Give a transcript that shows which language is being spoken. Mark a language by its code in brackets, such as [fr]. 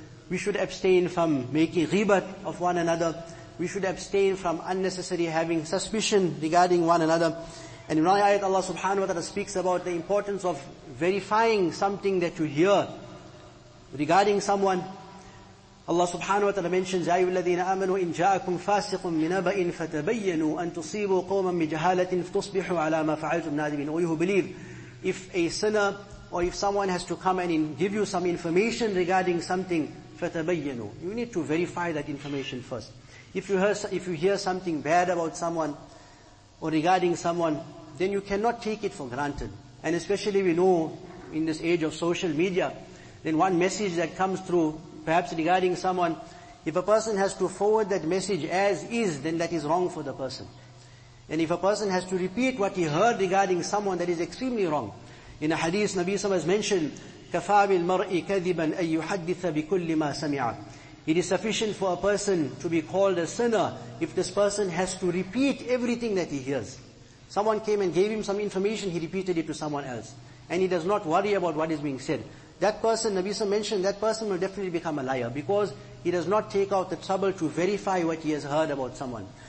[en] We should abstain from making ghibat of one another. We should abstain from unnecessary having suspicion regarding one another. And in our ayat, Allah subhanahu wa ta'ala speaks about the importance of verifying something that you hear regarding someone. Allah subhanahu wa ta'ala mentions, [ar] يَا أَيُّهَا الَّذِينَ آمَنُوا إِنْ جَاءَكُمْ فَاسِقٌ مِنَبَئٍ فَتَبَيَّنُوا أَنْ تُصِيبُوا قَوْمًا بِجَهَالَةٍ فَتُصْبِحُوا عَلَى مَا فَعَلْتُمْ نَادِمِينَ. [en] Oh, you who believe, if a sinner or if someone has to come and give you some information regarding something, فَتَبَيَّنُوا, you need to verify that information first. If you hear something bad about someone or regarding someone, then you cannot take it for granted. And especially we know in this age of social media, then one message that comes through, perhaps regarding someone, if a person has to forward that message as is, then that is wrong for the person. And if a person has to repeat what he heard regarding someone, that is extremely wrong. In a hadith, Nabi SAW has mentioned, [ar] كَفَى بِالْمَرْءِ كَذِبًا أَن يُحَدِّثَ بِكُلِّ مَا سَمِعَ. [en] It is sufficient for a person to be called a sinner if this person has to repeat everything that he hears. Someone came and gave him some information, he repeated it to someone else. And he does not worry about what is being said. That person, Nabi Sallallahu mentioned, that person will definitely become a liar because he does not take out the trouble to verify what he has heard about someone.